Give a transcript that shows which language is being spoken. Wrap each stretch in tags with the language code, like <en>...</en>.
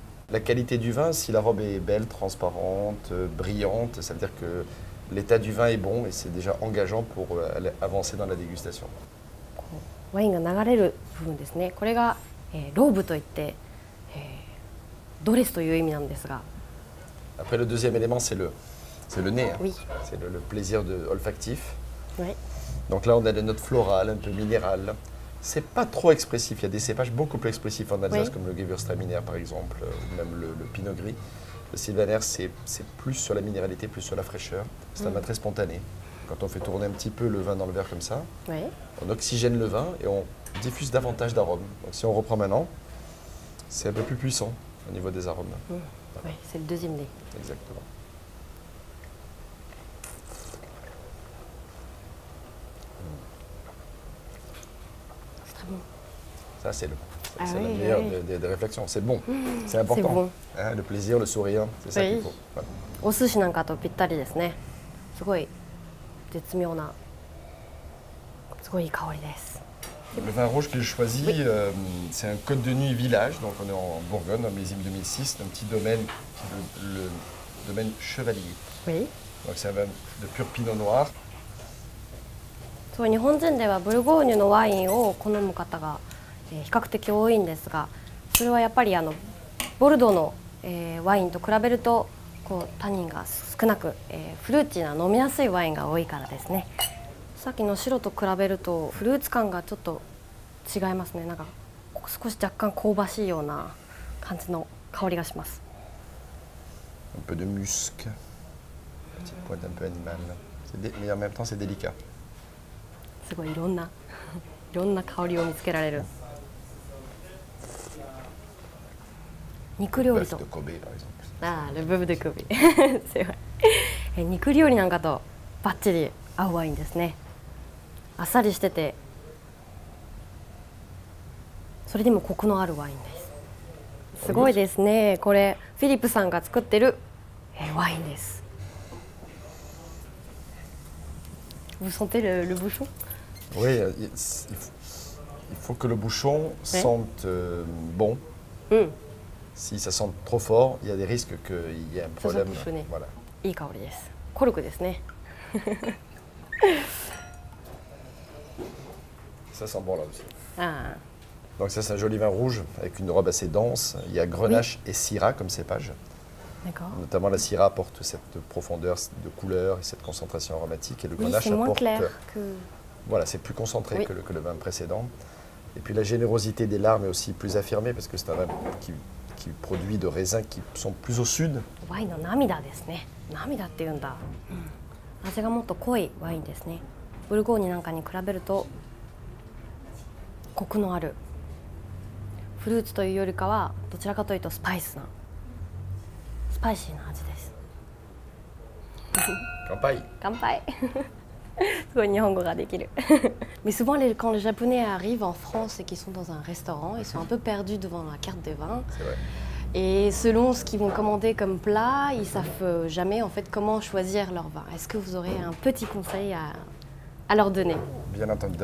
<fr>La qualité du vin, si la robe est belle, transparente, brillante, ça veut dire que l'état du vin est bon et c'est déjà engageant pour avancer dans la dégustation.</fr> <ja>ワインが流れる部分ですね。これが、ローブといって、ドレスという意味なんですが。</ja> <fr>Après le deuxième élément, c'est le nez. Hein. Oui. C'est le plaisir de olfactif. Oui. Donc là, on a des notes florales, un peu minérales. C'est pas trop expressif, il y a des cépages beaucoup plus expressifs en Alsace, oui. Comme le Gewürztraminer par exemple, ou même le Pinot Gris. Le Sylvaner, c'est plus sur la minéralité, plus sur la fraîcheur. C'est un vin très spontané. Quand on fait tourner un petit peu le vin dans le verre comme ça, oui. On oxygène le vin et on diffuse davantage d'arômes. Donc si on reprend maintenant, c'est un peu plus puissant au niveau des arômes. Voilà. Oui, c'est le deuxième nez. Exactement. Ça, c'est le, ça, ah c'est oui, la meilleure oui. des réflexions. C'est bon, c'est important. C'est bon. Hein, le plaisir, le sourire, c'est ça oui. qu'il faut. Au sushi,</fr> <ja>なんかとぴったりですね。すごい絶妙な、すごいいい香りです。</ja> <fr>Le vin rouge que j'ai choisi, oui. C'est un Côte de Nuit village. Donc, on est en Bourgogne, en millésime 2006, un petit domaine, le domaine Chevalier. Oui. Donc, c'est un vin de pur Pinot Noir.</fr> <ja>そう、日本人ではブルゴーニュのワインを好む方が、比較的多いんですが、それはやっぱりあのボルドーの、ワインと比べるとこうタニンが少なく、フルーティーな飲みやすいワインが多いからですね。さっきの白と比べるとフルーツ感がちょっと違いますね。なんか少し若干香ばしいような感じの香りがします。</ja> <fr>un peu de musc, une petite pointe un peu animale, c'est dé... mais en même temps c'est délicat</fr> <ja>すごいいろんな、いろんな香りを見つけられる。肉料理と。ああ、ルブブデコビ。すごい。肉料理なんかとバッチリ合うワインですね。あっさりしてて、それでもコクのあるワインです。すごいですね。これフィリップさんが作ってるワインです。</ja> <fr>Vous sentez le bouchon? Oui, il faut que le bouchon oui. sente bon. Mm. Si ça sent trop fort, il y a des risques qu'il y ait un problème. Ça sent voilà.</fr> <ja>いい香りです。コルクですね。</ja> <fr>Ça sent bon là aussi. Ah. Donc ça, c'est un joli vin rouge avec une robe assez dense. Il y a grenache oui. et syrah comme cépage. D'accord. Notamment la syrah apporte cette profondeur de couleur et cette concentration aromatique. Et le grenache oui, apporte... moins clair que... Voilà, c'est plus concentré oui. que le vin précédent. Et puis la générosité des larmes est aussi plus affirmée parce que c'est un vin qui produit de raisins qui sont plus au sud.</fr> <ja>ワインの涙ですね。涙って言うんだ。うん。味がもっと濃いワインですね。ブルゴーニュなんかに比べるとコクのあるフルーツというよりかはどちらかというとスパイシーな味です。乾杯。乾杯。すごい日本語ができる。</ja> <fr>Mais souvent, quand les Japonais arrivent en France et qu'ils sont dans un restaurant, ils sont un peu perdus devant la carte de vin. C'est vrai. Et selon ce qu'ils vont commander comme plat, ils savent jamais en fait comment choisir leur vin. Est-ce que vous aurez un petit conseil à leur donner ? Bien entendu.</fr>